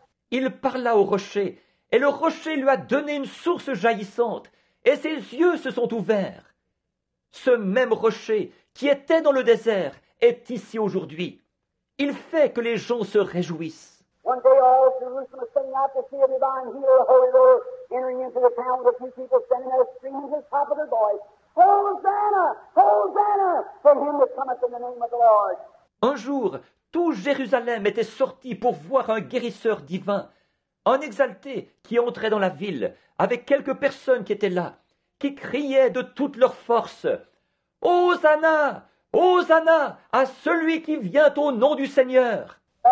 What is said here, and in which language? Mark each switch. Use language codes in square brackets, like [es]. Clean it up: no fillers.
[fr] Il parla au rocher, et le rocher lui a donné une source jaillissante, et ses yeux se sont ouverts. Ce même rocher qui était dans le désert est ici aujourd'hui. Il fait que les gens se réjouissent. [en] One day all Jerusalem was standing out to see a divine healer, the Holy Lord, entering into the town with a few people standing there screaming at the top of their voice, Hosanna! Hosanna! For him that cometh in the name of the Lord. [fr] Un jour, tout Jérusalem était sorti pour voir un guérisseur divin, un exalté qui entrait dans la ville avec quelques personnes qui étaient là, qui criaient de toute leur force, « Hosanna! Hosanna! À celui qui vient au nom du Seigneur !»